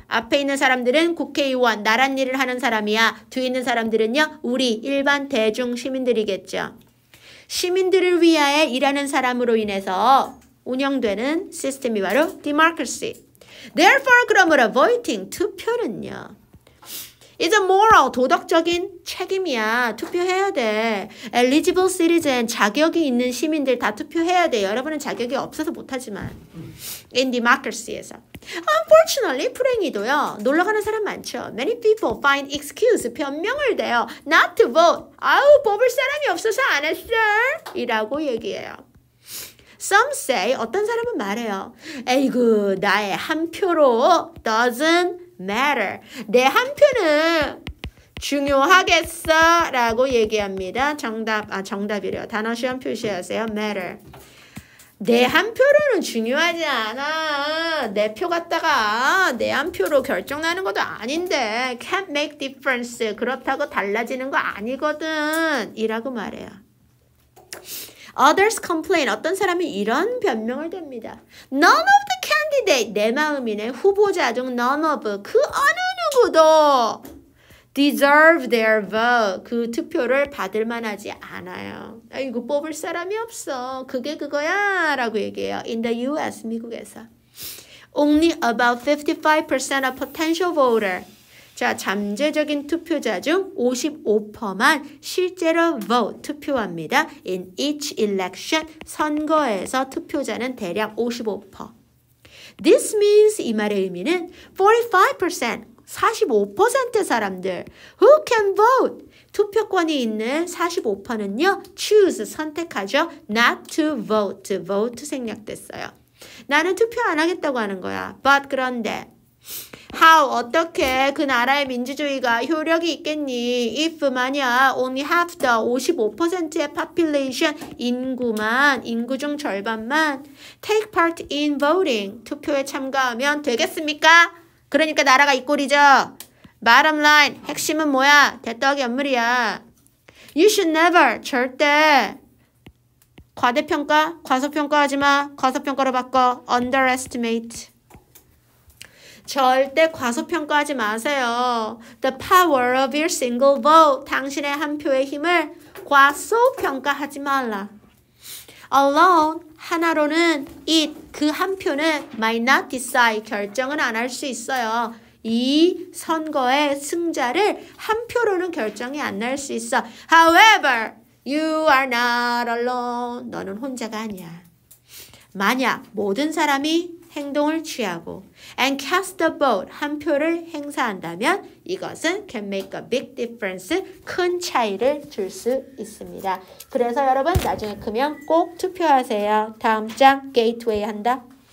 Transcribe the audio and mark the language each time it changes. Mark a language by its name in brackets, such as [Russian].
[Korean] 앞에 있는 사람들은 국회의원, 나란 일을 하는 사람이야. 뒤에 있는 사람들은요. 우리 일반 대중 시민들이겠죠. 시민들을 위하여 일하는 사람으로 인해서 운영되는 시스템이 바로 democracy. [English] Therefore, [Korean] 그러므로 voting, 투표는요. [English] It's a moral, [Korean] 도덕적인 책임이야. 투표해야 돼. [English] Eligible citizen, [Korean] 자격이 있는 시민들 다 투표해야 돼. 여러분은 자격이 없어서 못하지만. In democracy에서. [English] Unfortunately, [Korean] 불행히도요. 놀러가는 사람 많죠. [English] Many people find excuse, [Korean] 변명을 대요. [English] Not to vote. [Korean] 아우, 뽑을 사람이 없어서 안 했어. 이라고 얘기해요. [English] Some say, [Korean] 어떤 사람은 말해요. 에이구, 나의 한 표로 [English] doesn't matter. [Korean] 내 한 표는 중요하겠어. 라고 얘기합니다. 정답, 아, 정답이래요. 단어 시험 표시하세요. matter. 내 한 표로는 중요하지 않아. 내 표 갖다가 내 한 표로 결정나는 것도 아닌데. [English] can't make difference. [Korean] 그렇다고 달라지는 거 아니거든. 이라고 말해요. [English] Others complain. [Korean] 어떤 사람이 이런 변명을 댑니다. [English] None of the candidate. [Korean] 내 마음이네. 후보자 중 none of. 그 어느 누구도 [English] deserve their vote. [Korean] 그 투표를 받을 만하지 않아요. 아이고 뽑을 사람이 없어. 그게 그거야. 라고 얘기해요. [English] In the US, [Korean] 미국에서. [English] Only about 55% of potential voter. [Korean] 자, 잠재적인 투표자 중 55%만 실제로 [English] vote, [Korean] 투표합니다. [English] In each election, [Korean] 선거에서 투표자는 대략 55%. [English] This means, [Korean] 이 말의 의미는 45%, 45% 사람들. [English] Who can vote? [Korean] 투표권이 있는 45%는요, [English] choose, [Korean] 선택하죠. [English] Not to vote, vote 생략됐어요. [Korean] 나는 투표 안 하겠다고 하는 거야. [English] But, [Korean] 그런데. How, 어떻게 그 나라의 민주주의가 효력이 있겠니? [English] If, 만약, only half the 55%의 population, 인구만, [Korean] 인구 중 절반만, [English] take part in voting, [Korean] 투표에 참가하면 되겠습니까? 그러니까 나라가 이 꼴이죠. [English] Bottom line, [Korean] 핵심은 뭐야? 대떡이 연물이야. [English] You should never, [Korean] 절대. 과대평가? 과소평가 하지 마. 과소평가로 바꿔. [English] Underestimate. [Korean] 절대 과소평가하지 마세요. [English] The power of your single vote. [Korean] 당신의 한 표의 힘을 과소평가하지 말라. [English] Alone, [Korean] 하나로는 it, 그 한 표는 [English] might not decide, [Korean] 결정은 안 할 수 있어요. 이 선거의 승자를 한 표로는 결정이 안 날 수 있어. [English] However, you are not alone. [Korean] 너는 혼자가 아니야. 만약 모든 사람이 행동을 취하고 [English] and cast the vote [Korean] 한 표를 행사한다면 이것은 [English] can make a big difference [Korean] 큰 차이를 줄 수 있습니다. 그래서 여러분 나중에 크면 꼭 투표하세요. 다음 장 게이트웨이 한다.